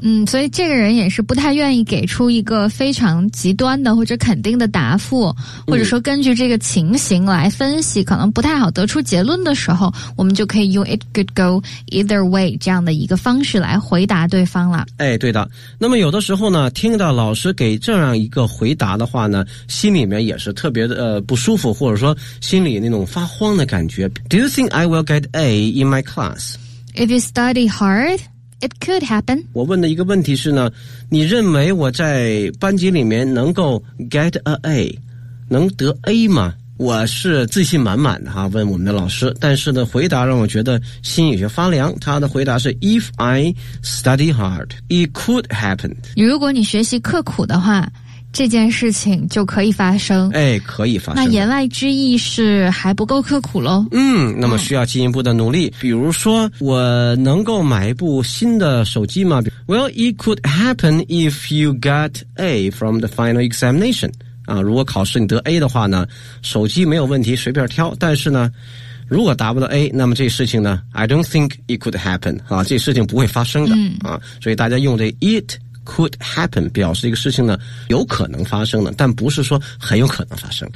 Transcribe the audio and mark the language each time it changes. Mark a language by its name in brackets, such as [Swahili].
[Chinese] 嗯，所以这个人也是不太愿意给出一个非常极端的或者肯定的答复，或者说根据这个情形来分析，可能不太好得出结论的时候，我们就可以用 [English] it could go either way [Chinese] 这样的一个方式来回答对方了。哎，对的。那么有的时候呢，听到老师给这样一个回答的话呢，心里面也是特别的不舒服，或者说心里那种发慌的感觉。 [English] Do you think I will get A in my class? If you study hard, it could happen. [Chinese] 我问的一个问题是呢，你认为我在班级里面能够 [English] get an A， [Chinese] 能得 A 吗？我是自信满满的哈，问我们的老师。但是呢，回答让我觉得心有些发凉。他的回答是 [English] If I study hard, it could happen. [Chinese] 如果你学习刻苦的话，这件事情就可以发生。哎，可以发生。那言外之意是还不够刻苦咯。嗯，那么需要进一步的努力。比如说我能够买一部新的手机吗？ [English] Well, it could happen if you got A from the final examination. [Chinese] 啊，如果考试你得 A 的话呢，手机没有问题，随便挑。但是呢，如果达不到 A， 那么这事情呢， [English] I don't think it could happen. [Chinese] 啊，这事情不会发生的。嗯。啊，所以大家用这 [English] it could happen [Chinese] 表示一个事情呢有可能发生的，但不是说很有可能发生。